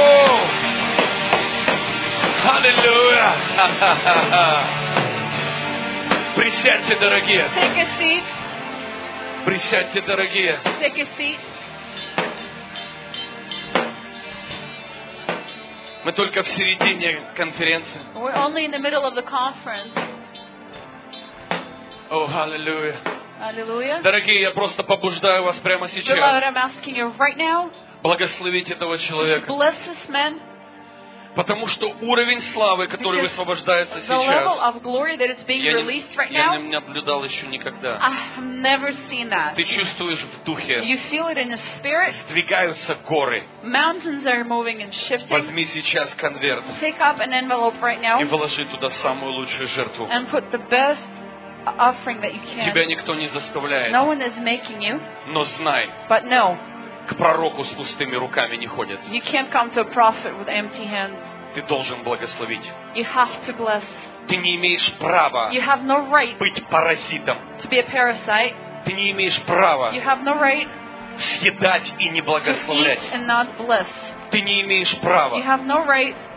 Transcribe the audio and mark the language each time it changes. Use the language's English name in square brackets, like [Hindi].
[English] Oh. Hallelujah. [Russian] Присядьте, дорогие. [English] Take a seat. [Russian] Присядьте, дорогие. [English] Take a seat. [Russian] Мы только в середине конференции. [English] We're only in the middle of the conference. Oh, hallelujah. Hallelujah. [Russian] Дорогие, я просто побуждаю вас прямо сейчас. [English] Beloved, I'm asking you right now. [Russian] Благословите этого человека. [English] Bless this man. [Russian] Потому что уровень славы, который [English] Because [Russian] высвобождается [English] the [Russian] сейчас, [English] level of glory that is being released right now, [Russian] я не наблюдал еще никогда. [English] I've never seen that. [Russian] Ты чувствуешь в духе. [English] You feel it in the spirit. [Russian] Сдвигаются горы. [English] Mountains are moving and shifting. [Russian] Возьми сейчас конверт. [English] Take up an envelope right now. [Russian] И вложи туда самую лучшую жертву. [English] And put the best offering that you can. [Russian] Тебя никто не заставляет. [English] No one is making you. [Russian] Но знай. [English] But know. [Russian] К пророку с пустыми руками не ходят. [English] You can't come to a prophet with empty hands. [Russian] Ты должен благословить. [English] You have to bless. [Russian] Ты не имеешь права. [English] You have no right. [Russian] Быть паразитом. [English] To be a parasite. [Russian] Ты не имеешь права. [English] You have no right. [Russian] Съедать и не благословлять. [English] To eat and not bless. [Russian] Ты не имеешь права. [English] You have no right.